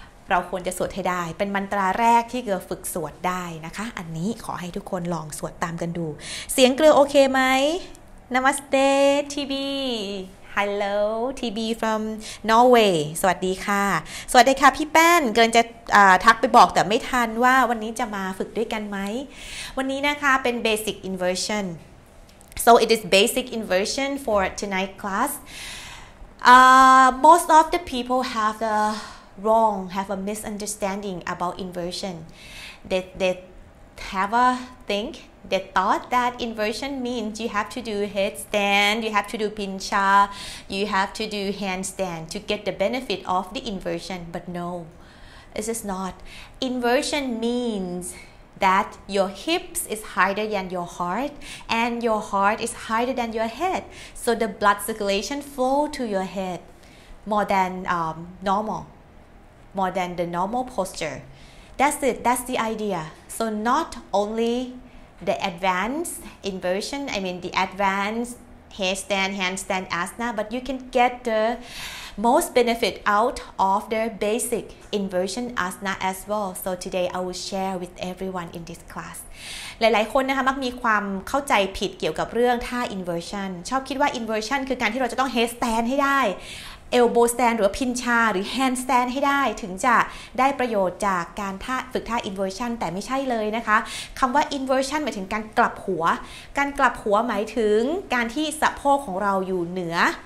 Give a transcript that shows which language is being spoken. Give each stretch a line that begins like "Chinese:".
Thai: เราควรจะสวดให้ได้เป็นมันตราแรกที่เกลือฝึกสวดได้นะคะอันนี้ขอให้ทุกคนลองสวดตามกันดูเสียงเกลือโอเคไหม Namaste TB
English: Hello TB from Norway
Thai: สวัสดีค่ะสวัสดีค่ะพี่แป้นเกินจะทักไปบอกแต่ไม่ทันว่าวันนี้จะมาฝึกด้วยกันไหมวันนี้นะคะเป็น Basic Inversion
English: So it is basic inversion for tonight class. Most of the people have a wrong, have a misunderstanding about inversion. They have a think, they thought that inversion means you have to do headstand, you have to do pincha, you have to do handstand to get the benefit of the inversion. But no, this is not. Inversion means that your hips is higher than your heart and your heart is higher than your head. So the blood circulation flow to your head more than normal, more than the normal posture. That's it, that's the idea. So not only the advanced inversion, I mean the advanced headstand, handstand, asana, but you can get the most benefit out of the basic inversion asana as well. So today I will share with everyone in this class.
Thai: หลายๆคนนะคะมักมีความเข้าใจผิดเกี่ยวกับเรื่องท่า inversion. ชอบคิดว่า inversion คือการที่เราจะต้อง headstand ให้ได้ elbow stand หรือ pincha หรือ handstand ให้ได้ถึงจะได้ประโยชน์จากการท่าฝึกท่า inversion แต่ไม่ใช่เลยนะคะคำว่า inversion หมายถึงการกลับหัวการกลับหัวหมายถึงการที่สะโพกของเราอยู่เหนือ